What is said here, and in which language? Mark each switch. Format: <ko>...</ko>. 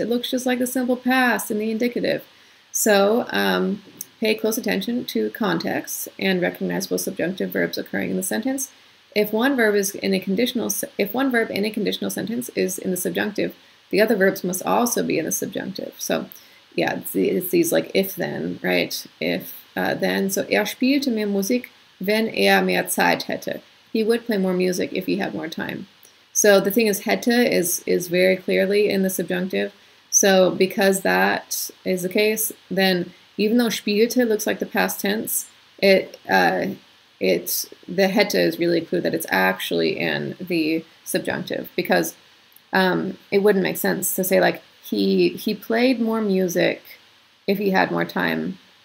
<en>It looks just like the simple past in the indicative. So pay close attention to context and recognizable subjunctive verbs occurring in the sentence. If one verb in a conditional sentence is in the subjunctive, the other verbs must also be in the subjunctive. So, yeah, it's these like if then, right? If then.</en> <de>So, spielte mehr Musik, wenn mehr Zeit hätte.</de> <en>He would play more music if he had more time. So, the thing is, hätte is very clearly in the subjunctive. So, because that is the case, then even though spielte looks like the past tense, the hätte is really a clue that it's actually in the subjunctive, because it wouldn't make sense to say like he played more music if he had more time.</en>